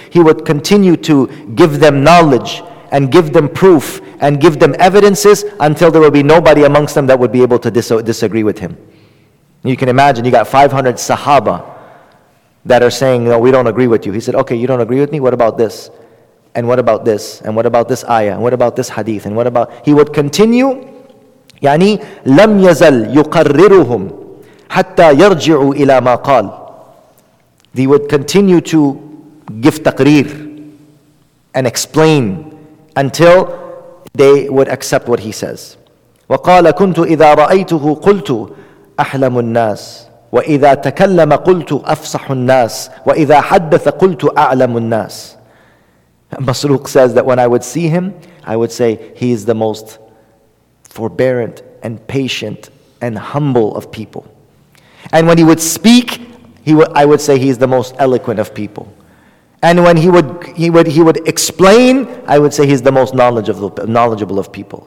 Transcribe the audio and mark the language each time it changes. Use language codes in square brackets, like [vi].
[en] He would continue to give them knowledge and give them proof and give them evidences until there would be nobody amongst them that would be able to disagree with him. You can imagine, you got 500 Sahaba that are saying, no, we don't agree with you. He said, okay, you don't agree with me? What about this? And what about this? And what about this ayah? And what about this hadith? And what about... He would continue, [ar] يعني لم يزل يقررهم حتى يرجعوا إلى ما قال. [en] He would continue to give taqreer and explain until they would accept what he says. [ar] وقال كنت إذا رأيته قلت أحلم الناس وإذا تكلم قلت أفصح الناس وإذا حدث قلت أعلم الناس. [en] Masruq says that when I would see him, I would say he is the most forbearant and patient and humble of people. And when he would speak, I would say he is the most eloquent of people. And when he would explain, I would say he's the most knowledgeable of people.